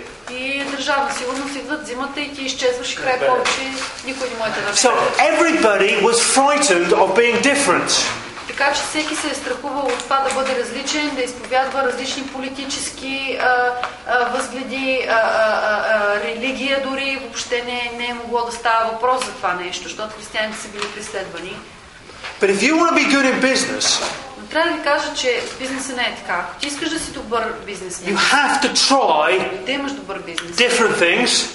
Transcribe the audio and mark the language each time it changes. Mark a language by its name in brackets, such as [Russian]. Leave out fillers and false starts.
[Bulgarian] И държавна сигурност идват, взимате и ти изчезваш и край повече никой не може да [English] So everybody was frightened of being different. [Bulgarian] Така че всеки се е страхувал от това да бъде различен, да изповядва различни политически възгледи, религия дори, въобще не е могло да става въпрос за това нещо, защото християните са били преследвани. [English] But if you want to be good in business, [Bulgarian] но трябва да ви кажа, че бизнесът не е така. Ако ти искаш да си добър бизнесмен, [English] you have to try different things.